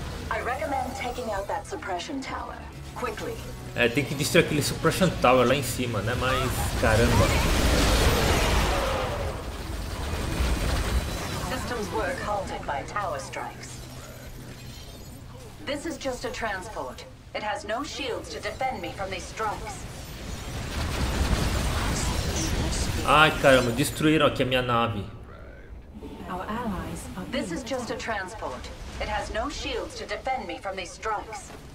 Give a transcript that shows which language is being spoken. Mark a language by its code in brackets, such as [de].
[en] I recommend taking out that suppression tower quickly. [pt] Tem que destruir aquele suppression tower lá em cima, né? Mas caramba. [en] Work halted by tower strikes. This is just a transport. It has no shields to defend me from these strikes. [pt] Ai, caramba, destruíram aqui a minha nave. [en] Our allies are. This is just a transport. It has no shields to defend me from these strikes.